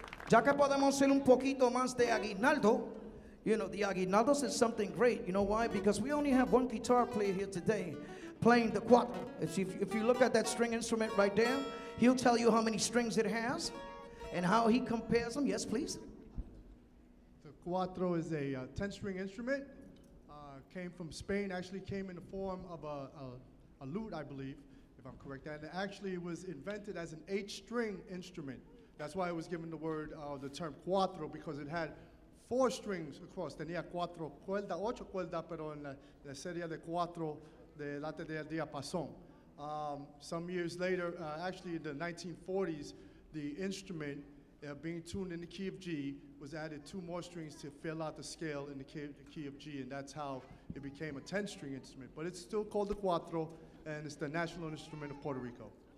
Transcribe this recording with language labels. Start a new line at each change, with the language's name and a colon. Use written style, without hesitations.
Spanish: ya que podemos ser un poquito más de aguinaldo.
English: You know, the aguinaldos is something great. You know why? Because we only have one guitar player here today playing the cuatro. If you look at that string instrument right there, he'll tell you how many strings it has and how he compares them. Yes, please. The cuatro is a 10-string instrument. Came from Spain. Actually came in the form of a lute, I believe, if I'm correct. And actually it was invented as an 8-string instrument. That's why it was given the word, the term cuatro, because it had 4 strings across.
Spanish: Tenía cuatro cuerdas, 8 cuerdas, pero en la serie de cuatro de Late del Día Pasón.
English: Some years later, actually in the 1940s, the instrument being tuned in the key of G was added 2 more strings to fill out the scale in the key of G, and that's how it became a 10-string instrument. But it's still called the cuatro, and it's the national instrument of Puerto Rico.